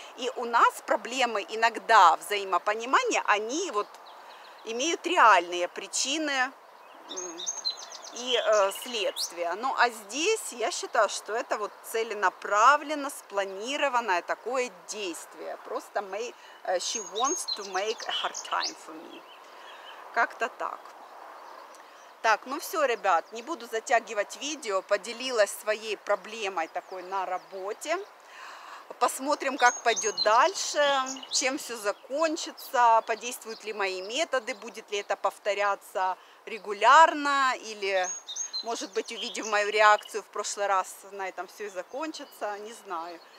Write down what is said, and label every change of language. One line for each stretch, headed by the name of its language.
Russian: И у нас проблемы иногда взаимопонимания, они вот имеют реальные причины и следствия. Ну, а здесь я считаю, что это вот целенаправленно спланированное такое действие. Просто
English: she wants to make a hard time for me.
Russian: Как-то так. Так, ну все, ребят, не буду затягивать видео. Поделилась своей проблемой такой на работе. Посмотрим, как пойдет дальше, чем все закончится, подействуют ли мои методы, будет ли это повторяться регулярно, или, может быть, увидев мою реакцию в прошлый раз, на этом все и закончится, не знаю.